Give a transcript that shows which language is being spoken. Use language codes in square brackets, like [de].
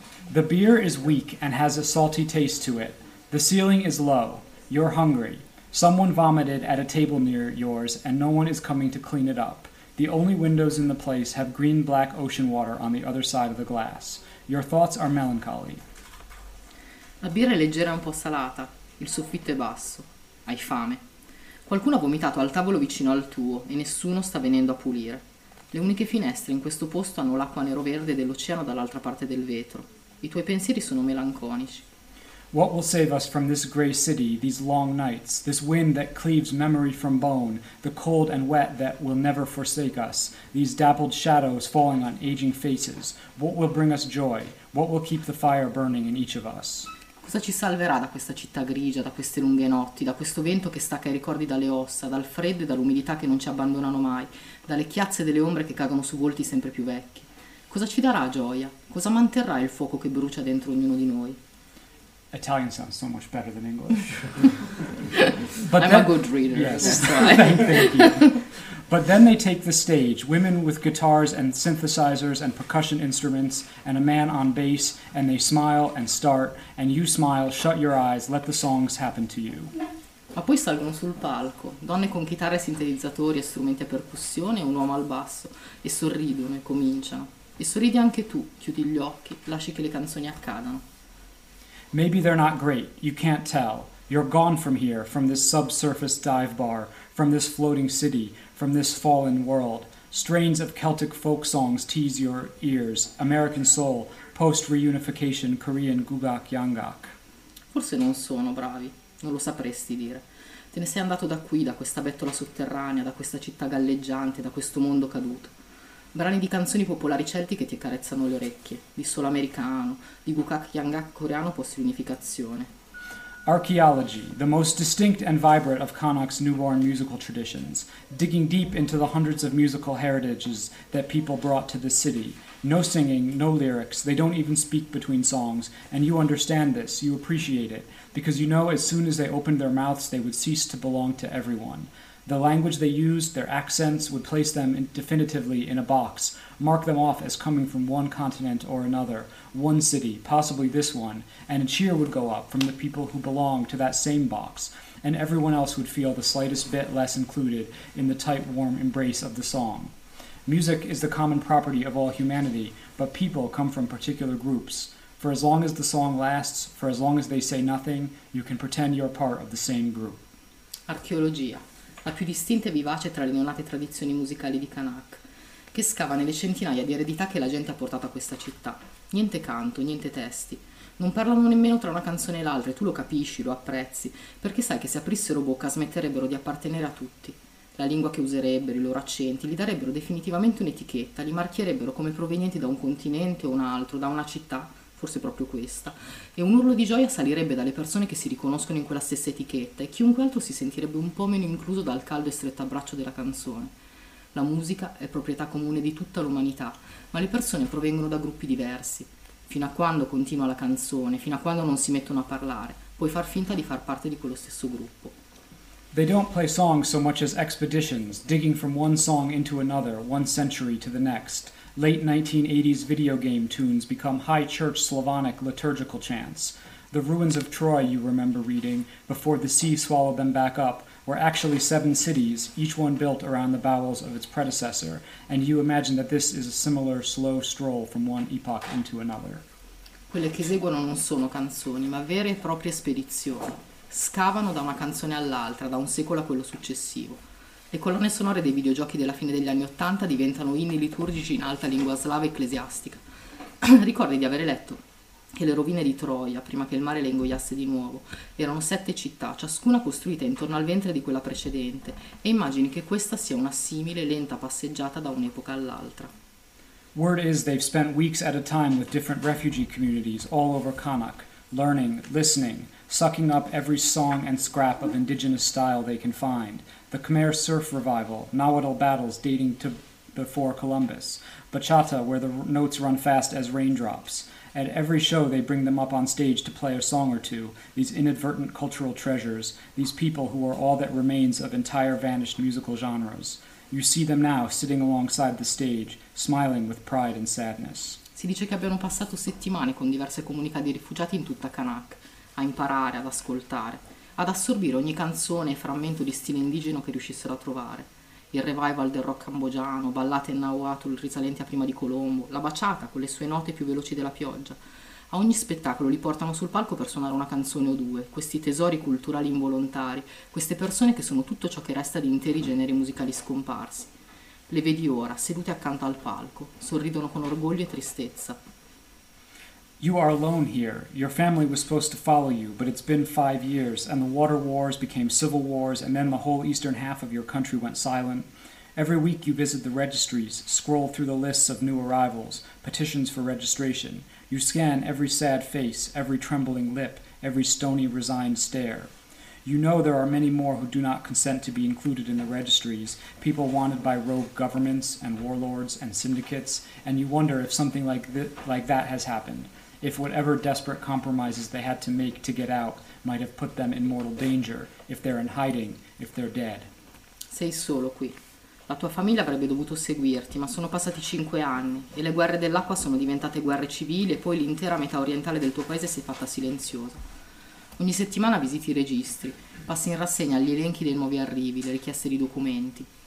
[en] The beer is weak and has a salty taste to it. The ceiling is low. You're hungry. Someone vomited at a table near yours, and no one is coming to clean it up. The only windows in the place have green-black ocean water on the other side of the glass. Your thoughts are melancholy. [it] La birra è leggera e un po' salata. Il soffitto è basso. Hai fame. Qualcuno ha vomitato al tavolo vicino al tuo e nessuno sta venendo a pulire. Le uniche finestre in questo posto hanno l'acqua nero-verde dell'oceano dall'altra parte del vetro. I tuoi pensieri sono melanconici. [en] What will save us from this gray city, these long nights, this wind that cleaves memory from bone, the cold and wet that will never forsake us, these dappled shadows falling on aging faces? What will bring us joy? What will keep the fire burning in each of us? [it] Cosa ci salverà da questa città grigia, da queste lunghe notti, da questo vento che stacca i ricordi dalle ossa, dal freddo e dall'umidità che non ci abbandonano mai, dalle chiazze delle ombre che cadono su volti sempre più vecchi? Cosa ci darà gioia? Cosa manterrà il fuoco che brucia dentro ognuno di noi? [en] Italian sounds so much better than English. But I'm a good reader. Yes. Thank you. But then they take the stage, women with guitars and synthesizers and percussion instruments, and a man on bass, and they smile and start, and you smile, shut your eyes, let the songs happen to you. [it] Ma poi salgono sul palco, donne con chitarre, sintetizzatori e strumenti a percussione, e un uomo al basso, e sorridono e cominciano. E sorridi anche tu, chiudi gli occhi, lasci che le canzoni accadano. [en] Maybe they're not great, you can't tell. You're gone from here, from this subsurface dive bar, from this floating city, from this fallen world. Strains of Celtic folk songs tease your ears. American soul, post-reunification Korean gugak yangak. [it] Forse non sono bravi, non lo sapresti dire. Te ne sei andato da qui, da questa bettola sotterranea, da questa città galleggiante, da questo mondo caduto. Brani di canzoni popolari celtiche ti accarezzano le orecchie, di sol americano, di gugak yangak coreano post-reunificazione. [en] Archaeology, the most distinct and vibrant of Connacht's newborn musical traditions, digging deep into the hundreds of musical heritages that people brought to the city. No singing, no lyrics, they don't even speak between songs, and you understand this, you appreciate it, because you know as soon as they opened their mouths they would cease to belong to everyone. The language they used, their accents, would place them definitively in a box, mark them off as coming from one continent or another, one city, possibly this one, and a cheer would go up from the people who belong to that same box, and everyone else would feel the slightest bit less included in the tight, warm embrace of the song. Music is the common property of all humanity, but people come from particular groups. For as long as the song lasts, for as long as they say nothing, you can pretend you're part of the same group. [it] Archaeologia. La più distinta e vivace tra le neonate tradizioni musicali di Connacht, che scava nelle centinaia di eredità che la gente ha portato a questa città. Niente canto, niente testi. Non parlano nemmeno tra una canzone e l'altra, e tu lo capisci, lo apprezzi, perché sai che se aprissero bocca smetterebbero di appartenere a tutti. La lingua che userebbero, i loro accenti, li darebbero definitivamente un'etichetta, li marchierebbero come provenienti da un continente o un altro, da una città, forse proprio questa, e un urlo di gioia salirebbe dalle persone che si riconoscono in quella stessa etichetta e chiunque altro si sentirebbe un po' meno incluso dal caldo e stretto abbraccio della canzone. La musica è proprietà comune di tutta l'umanità, ma le persone provengono da gruppi diversi. Fino a quando continua la canzone, fino a quando non si mettono a parlare, puoi far finta di far parte di quello stesso gruppo. [en] They don't play songs so much as expeditions, digging from one song into another, one century to the next. Late 1980s video game tunes become high church Slavonic liturgical chants. The ruins of Troy, you remember reading, before the sea swallowed them back up, were actually seven cities, each one built around the bowels of its predecessor, and you imagine that this is a similar slow stroll from one epoch into another. [it] Quelle che seguono non sono canzoni, ma vere e proprie spedizioni. scavano da una canzone all'altra, da un secolo a quello successivo. Le colonne sonore dei videogiochi della fine degli anni Ottanta diventano inni liturgici in alta lingua slava ecclesiastica. Ricordi di aver letto che le rovine di Troia, prima che il mare le ingoiasse di nuovo, erano 7 città, ciascuna costruita intorno al ventre di quella precedente, e immagini che questa sia una simile lenta passeggiata da un'epoca all'altra. [en] Word is they've spent weeks at a time with different refugee communities all over Connacht, learning, listening, sucking up every song and scrap of indigenous style they can find. The Khmer surf revival, Nahuatl battles dating to before Columbus, bachata where the notes run fast as raindrops. At every show they bring them up on stage to play a song or two, these inadvertent cultural treasures, these people who are all that remains of entire vanished musical genres. You see them now sitting alongside the stage, smiling with pride and sadness. [it] Si dice che abbiano passato settimane con diverse comunità di rifugiati in tutta Connacht, a imparare, ad ascoltare, ad assorbire ogni canzone e frammento di stile indigeno che riuscissero a trovare. Il revival del rock cambogiano, ballate in Nahuatl risalenti a prima di Colombo, la baciata con le sue note più veloci della pioggia. A ogni spettacolo li portano sul palco per suonare una canzone o due, questi tesori culturali involontari, queste persone che sono tutto ciò che resta di interi generi musicali scomparsi. Le vedi ora, sedute accanto al palco, sorridono con orgoglio e tristezza. [en] You are alone here. Your family was supposed to follow you, but it's been 5 years, and the water wars became civil wars, and then the whole eastern half of your country went silent. Every week you visit the registries, scroll through the lists of new arrivals, petitions for registration. You scan every sad face, every trembling lip, every stony, resigned stare. You know there are many more who do not consent to be included in the registries, people wanted by rogue governments and warlords and syndicates, and you wonder if something like that has happened, if whatever desperate compromises they had to make to get out might have put them in mortal danger, if they're in hiding, if they're dead. [it] Sei solo qui. La tua famiglia avrebbe dovuto seguirti, ma sono passati 5 anni e le guerre dell'acqua sono diventate guerre civili e poi l'intera metà orientale del tuo paese si è fatta silenziosa. Ogni settimana visiti i registri, passi in rassegna gli elenchi dei nuovi arrivi, le richieste di documenti.